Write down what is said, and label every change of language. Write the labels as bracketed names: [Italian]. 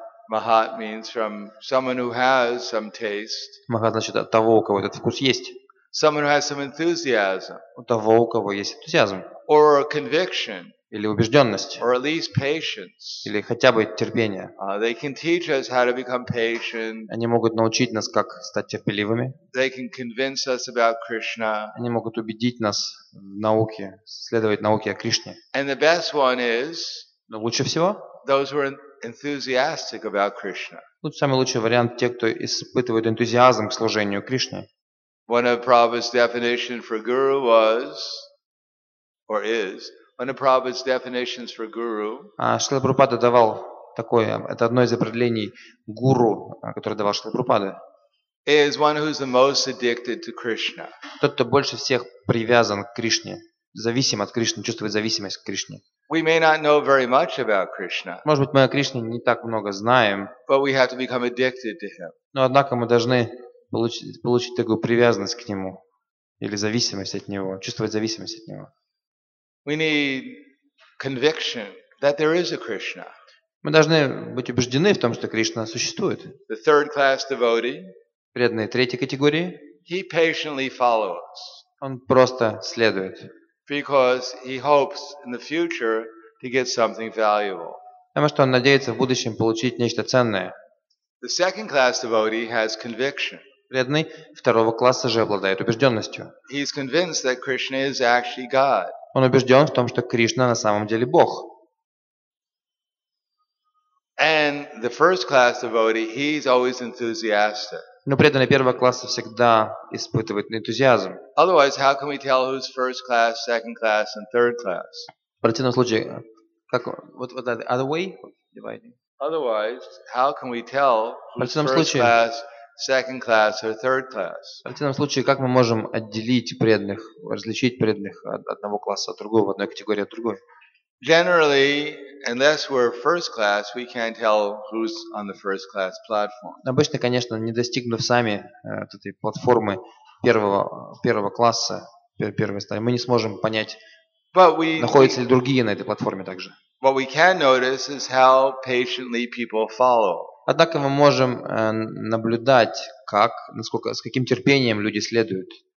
[English] Махат means from someone who has some taste. [Russian] Махат значит от того, у кого этот вкус есть. [English] Someone who has some enthusiasm. [Russian] У того, у кого есть энтузиазм. [English] Or a conviction. [Russian] Или убежденность. [English] Or at least patience. [Russian] Или хотя бы терпение. [English] They can teach us how to become patient. [Russian] Они могут научить нас, как стать терпеливыми. [English] They can convince us about Krishna. [Russian] Они могут убедить нас в науке, следовать науке о Кришне. [English] And the best one is. [Russian] Но лучше всего. [English] Those who are enthusiastic about Krishna. [Russian] Тут самый лучший вариант те, кто испытывает энтузиазм к служению Кришне. [English] One of Prabhupada's definition for guru was, or is, one of Prabhupada's definitions for guru. [Russian] Шрила Прабхупада давал такое, это одно из определений гуру, которое давал Шрила Прабхупада. [English] Is one who is the most addicted to Krishna. [Russian] Тот, кто больше всех привязан к Кришне. Зависим от Кришны, чувствует зависимость к Кришне. [English] We may not know very much about Krishna. [Russian] Может быть, мы о Кришне не так много знаем. [English] But we have to become addicted to him. [Russian] Но однако мы должны получить такую привязанность к нему или зависимость от него, чувствовать зависимость от него. [English] We need conviction that there is a Krishna. [Russian] Мы должны быть убеждены в том, что Кришна существует. [English] The third class devotee. [Russian] Преданные третьей категории. [English] He patiently follows. [Russian] Он просто следует. [English] Because he hopes in the future to get something valuable. [Russian] Потому что он надеется в будущем получить нечто ценное. [English] The second class devotee has conviction. [Russian] Преданный второго класса же обладает убежденностью. [English] He is convinced that Krishna is actually God. [Russian] Он убежден в том, что Кришна на самом деле Бог. [English] And the first class devotee, he is always enthusiastic. [Russian] Но преданный первого класса всегда испытывает энтузиазм. [English] Otherwise, how can we tell who's first class, second class, and third class? [Russian] В противном случае, как вот вот [English] the other way dividing? Otherwise, how can we tell who's first class, second class, or third class? [Russian] В противном случае, как мы можем отделить преданных, различить преданных от одного класса от другого, одной категории от другой? [English] Generally, unless we're first class, we can't tell who's on the first class platform. [Russian] Обычно, конечно, не достигнув сами этой платформы первого класса, первой стадии, мы не сможем понять, находятся ли другие на этой платформе также. [English] What we can notice is how patiently people follow. [Russian] Однако мы можем наблюдать, как, насколько, с каким терпением люди следуют.